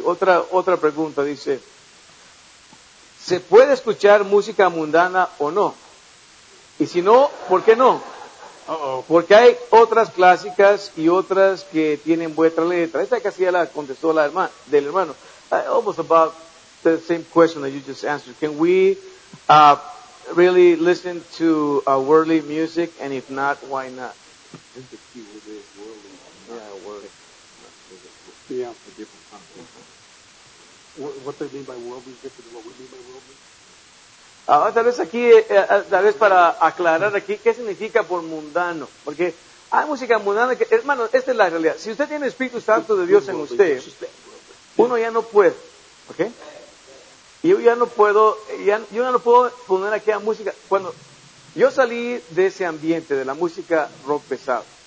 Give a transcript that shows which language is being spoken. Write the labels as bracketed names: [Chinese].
[Spanish] Otra pregunta dice, ¿se puede escuchar música mundana o no? Y si no, ¿por qué no? Porque hay otras clásicas y otras que tienen buena letra. Esta casi ya la contestó la del hermano. [English] Almost about the same question that you just answered. Can we really listen to worldly music? And if not, why not? I think the key word is worldly. Worldly. A different what they mean by worldly is different than what we mean by worldly. [Spanish] Tal vez aquí, tal vez para aclarar aquí, ¿qué significa por mundano? Porque hay música mundana que, hermano, esta es la realidad. Si usted tiene el Espíritu Santo de Dios en usted, uno ya no puede, ¿ok? Yo ya no puedo poner aquella música. Cuando yo salí de ese ambiente, de la música rock pesado,